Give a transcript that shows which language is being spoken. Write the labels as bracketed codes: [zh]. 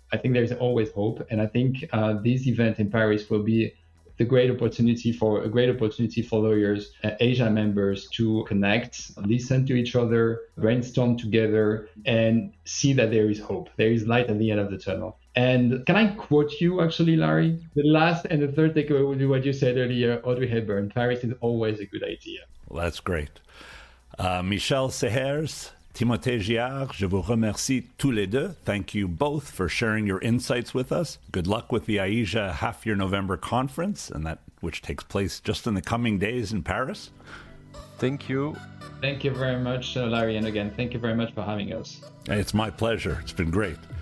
[en] I think there is always hope. And I think this event in Paris will be a great opportunity for lawyers, Asia members, to connect, listen to each other, brainstorm together, and see that there is hope. There is light at the end of the tunnel. And can I quote you, actually, Larry? The last and the third takeaway would be what you said earlier, Audrey Hepburn, Paris is always a good idea. Well, that's great. [fr] Michel Sehers, Timothée Giard, je vous remercie tous les deux. [en] Thank you both for sharing your insights with us. Good luck with the AIJA Half Year November Conference, and that which takes place just in the coming days in Paris. Thank you. Thank you very much, Larry. And again, thank you very much for having us. It's my pleasure. It's been great.